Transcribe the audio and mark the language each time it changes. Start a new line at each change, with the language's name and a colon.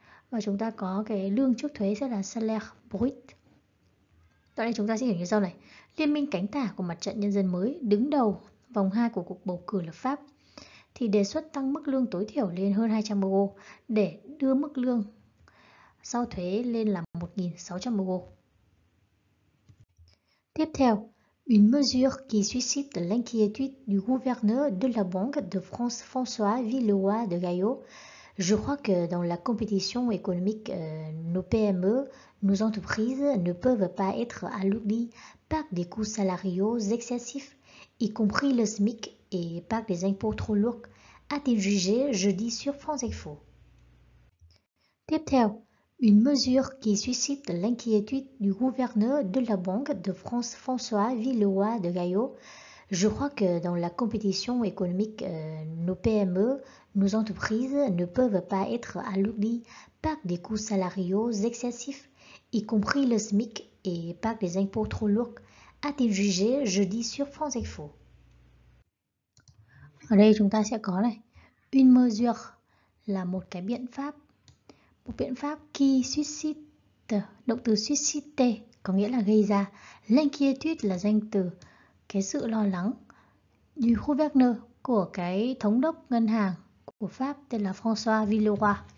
Vietnamese: Và chúng ta có cái lương trước thuế sẽ là salaire brut. Tại đây chúng ta sẽ hiểu như sau này. Liên minh cánh tả của mặt trận nhân dân mới đứng đầu vòng 2 của cuộc bầu cử lập pháp thì đề xuất tăng mức lương tối thiểu lên hơn 200 euro để đưa mức lương sau thuế lên là 1.600 euro.
French: Tiếp theo, une mesure qui suscite l'inquiétude du gouverneur de la Banque de France, François Villeroy de Gayot. Je crois que dans la compétition économique, nos PME, nos entreprises ne peuvent pas être alourdies par des coûts salariaux excessifs, y compris le SMIC, et par des impôts trop lourds, a-t-il jugé jeudi sur France Info. Tiếp theo, une mesure qui suscite l'inquiétude du gouverneur de la Banque de France, François Villeroy de Gayot. Je crois que dans la compétition économique, nos PME, nos entreprises ne peuvent pas être alourdies par des coûts salariaux excessifs, y compris le SMIC, et par des impôts trop lourds, a-t-il jugé jeudi sur France Info.
Vietnamese: Ở đây chúng ta sẽ có này,
French: une mesure
Vietnamese: là một biện pháp
French: qui suscite,
Vietnamese: động từ susciter có nghĩa là gây ra, l'inquiétude là danh từ, cái sự lo lắng
French: du gouverneur
Vietnamese: của cái thống đốc ngân hàng của Pháp tên là François Villeroy.